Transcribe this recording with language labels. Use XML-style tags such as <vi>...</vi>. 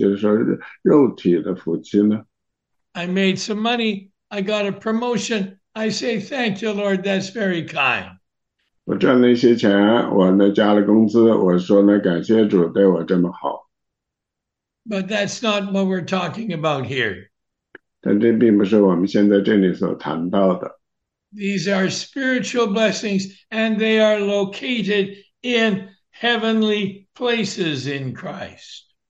<zh>所以呢，就是答案是呢，就是说是属灵的福气呢，福分呢，远远超过他能不能称之为不属灵的福气呢，就是说肉体的福气呢。</zh> <en>I made some money. I got a promotion. I say, thank you, Lord. That's very kind.</en> <zh>我赚了一些钱，我呢加了工资，我说呢感谢主对我这么好。</zh> <en>But that's not what we're talking about here.</en> <zh>但这并不是我们现在这里所谈到的。</zh> <en>These are spiritual blessings, and they are located in heavenly places in Christ.</en>